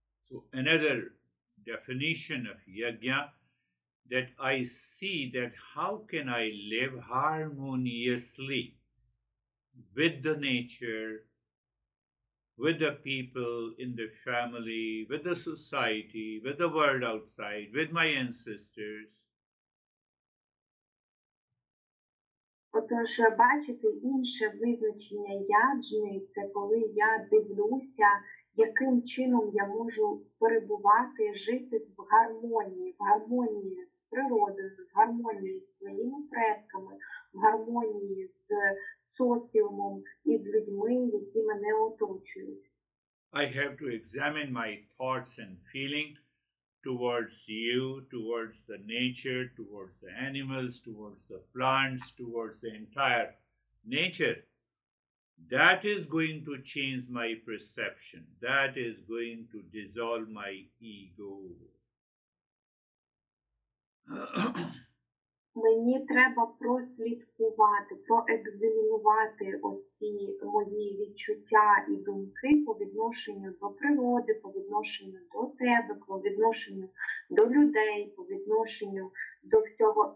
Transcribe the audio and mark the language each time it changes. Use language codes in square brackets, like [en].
[en] So another definition of yajna, that I see that how can I live harmoniously with the nature, with the people in the family, with the society, with the world outside, with my ancestors. [uk] Отож, бачити інше визначення яджни – це коли я дивлюся, яким чином я можу перебувати, жити в гармонії з природою, в гармонії з своїми предками, в гармонії з соціумом і з людьми, які мене оточують. [en] I have to examine my thoughts and feelings towards you, towards the nature, towards the animals, towards the plants, towards the entire nature. That is going to change my perception. That is going to dissolve my ego. [uk] Мені треба прослідкувати, проекзамінувати оці мої відчуття і думки по відношенню до природи, по відношенню до тебе, по відношенню до людей, по відношенню до всього.